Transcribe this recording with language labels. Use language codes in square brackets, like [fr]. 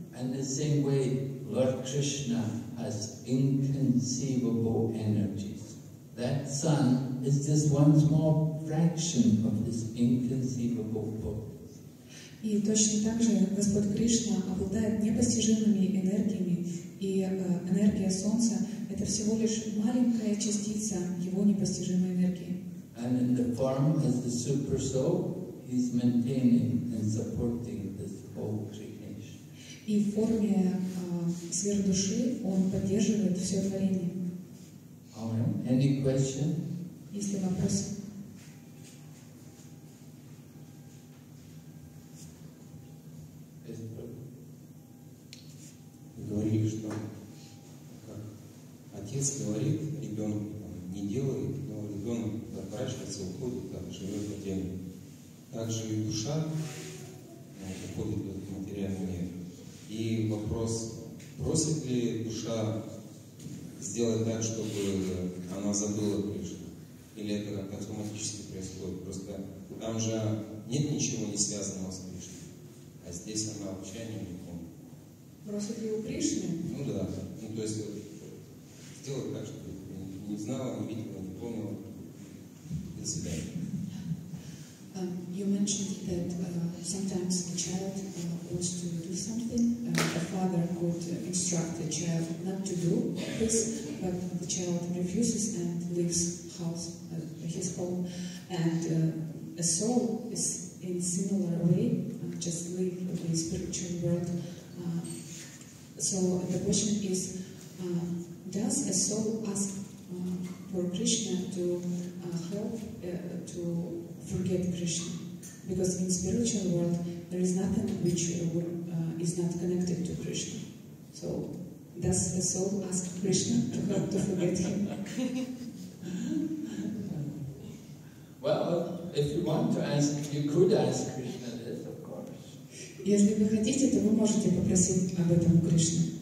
[en] And the same way, Lord Krishna has inconceivable energies. That sun is just one small fraction of this inconceivable potency. [ru] И точно так же Господь Кришна обладает непостижимыми энергиями. И энергия Солнца — это всего лишь маленькая частица Его непостижимой энергии. [en] And in the form as the super soul, He's maintaining and supporting this whole creation. [ru] И в форме сверхдуши Он поддерживает все творение. [en] All right. Any question? [ru] Есть ли вопросы? Говорили, что как отец говорит ребенку, он не делает, но ребенок отворачивается, уходит, так, живет отдельно. Так же и душа уходит в этот материальный мир. И вопрос, просит ли душа сделать так, чтобы она забыла Кришну? Или это как автоматически происходит? Просто там же нет ничего не связанного с Кришной, а здесь она вообще не уходит. Просит ли у Кришны? Ну да. Ну то есть сделать так, чтобы не знала, не видела, не помнила. До свидания. [en] You mentioned that sometimes the child wants to do something. A father could instruct the child not to do this, but the child refuses and leaves house, his home. And a soul is in similar way, just leave the spiritual world. So the question is, does a soul ask for Krishna to help to forget Krishna, because in spiritual world there is nothing which is not connected to Krishna. So does the soul ask Krishna to help to forget him? Well, if you want to ask, you could ask Krishna this, of course. [ru] Если вы хотите, то вы можете попросить об этом Кришну.